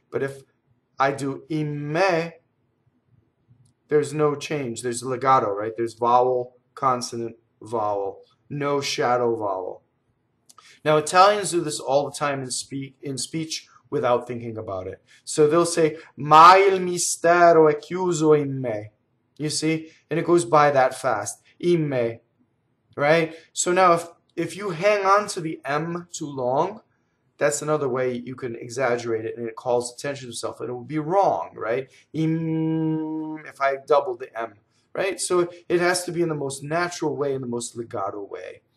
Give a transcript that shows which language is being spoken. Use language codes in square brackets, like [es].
[en] But if I do imme, there's no change. There's legato, right? There's vowel, consonant, vowel, no shadow vowel. Now Italians do this all the time in speech without thinking about it. So they'll say, [it] ma il mistero è chiuso in me. [en] You see? And it goes by that fast. Imme. Right? So now if you hang on to the M too long, that's another way you can exaggerate it and it calls attention to itself. And it will be wrong, right? Imme, if I doubled the M. Right? So it has to be in the most natural way, in the most legato way.